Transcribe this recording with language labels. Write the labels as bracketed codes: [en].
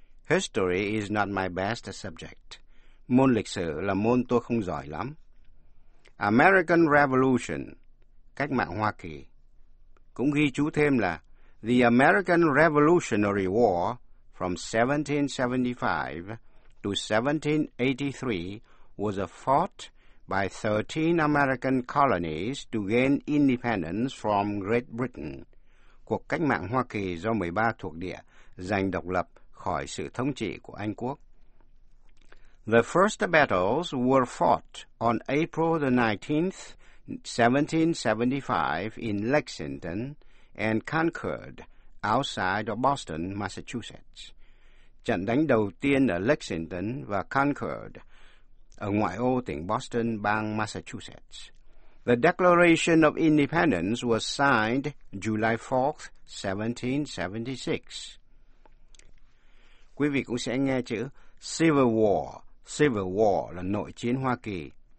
[en] History is not my best subject. [vi] Môn lịch sử là môn tôi không giỏi lắm. American Revolution, cách mạng Hoa Kỳ. Cũng ghi chú thêm là [en] The American Revolutionary War from 1775 to 1783 was fought by 13 American colonies to gain independence from Great Britain. [vi] Cuộc cách mạng Hoa Kỳ do 13 thuộc địa giành độc lập khỏi sự thống trị của Anh quốc. [en] The first battles were fought on April the 19th, 1775 in Lexington and Concord outside of Boston, Massachusetts. [vi] Trận đánh đầu tiên ở Lexington và Concord ở ngoại ô tỉnh Boston, bang Massachusetts. [en] The Declaration of Independence was signed July 4th, 1776. [vi] Quý vị cũng sẽ nghe chữ Civil War. Civil War là nội chiến Hoa Kỳ.